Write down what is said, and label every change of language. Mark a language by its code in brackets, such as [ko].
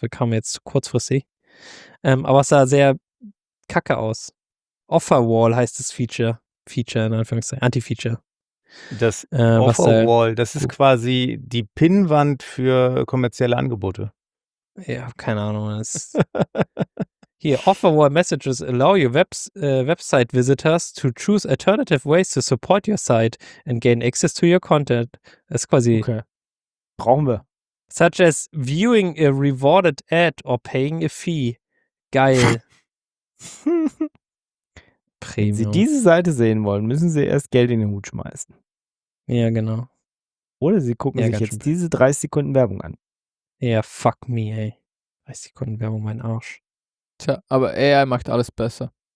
[de] Das kam jetzt zu kurzfristig. Aber es sah sehr kacke aus. Offerwall heißt das Feature. Feature in Anführungszeichen, Anti-Feature. Das Offerwall, das ist quasi die Pinnwand für kommerzielle Angebote. Ja, keine Ahnung. [en] Hier, Offerwall Messages allow your website visitors to choose alternative ways to support your site and gain access to your content. [de] Das ist quasi. Okay. Brauchen wir. [en] Such as viewing a rewarded ad or paying a fee. [de] Geil. Premium. Wenn Sie diese Seite sehen wollen, müssen Sie erst Geld in den Hut schmeißen. Ja, genau. Oder Sie gucken sich jetzt diese 30 Sekunden Werbung an. Ja, fuck me, ey. 30 Sekunden Werbung, mein Arsch. Tja, aber AI macht alles besser.